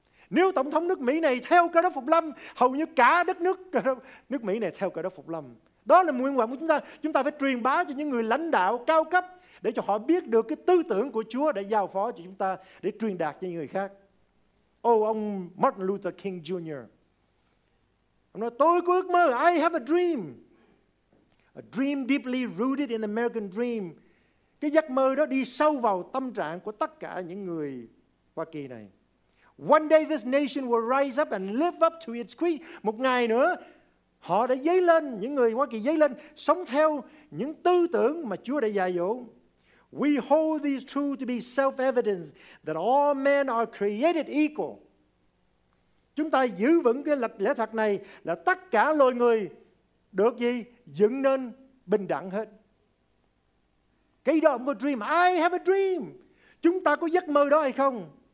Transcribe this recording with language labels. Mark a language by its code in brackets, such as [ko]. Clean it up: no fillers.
[vi] Nếu tổng thống nước Mỹ này theo Cơ Đốc Phục Lâm, hầu như cả đất nước nước Mỹ này theo Cơ Đốc Phục Lâm. Đó là nguyện vọng của chúng ta. Chúng ta phải truyền bá cho những người lãnh đạo cao cấp để cho họ biết được cái tư tưởng của Chúa để giao phó cho chúng ta, để truyền đạt cho người khác. Ông Martin Luther King Jr. Ông nói, tôi có ước mơ, [en] I have a dream. A dream deeply rooted in the American dream. [vi] Cái giấc mơ đó đi sâu vào tâm trạng của tất cả những người Hoa Kỳ này. [en] One day this nation will rise up and live up to its creed. [vi] Một ngày nữa, họ đã dấy lên, những người Hoa Kỳ dấy lên, sống theo những tư tưởng mà Chúa đã dạy dỗ. [en] We hold these truths to be self-evident that all men are created equal. [vi] Chúng ta giữ vững cái lẽ thật này là tất cả loài người được gì? Dựng nên bình đẳng hết. Cái đó không có dream. [en] I have a dream. [vi] Chúng ta có giấc mơ đó hay không?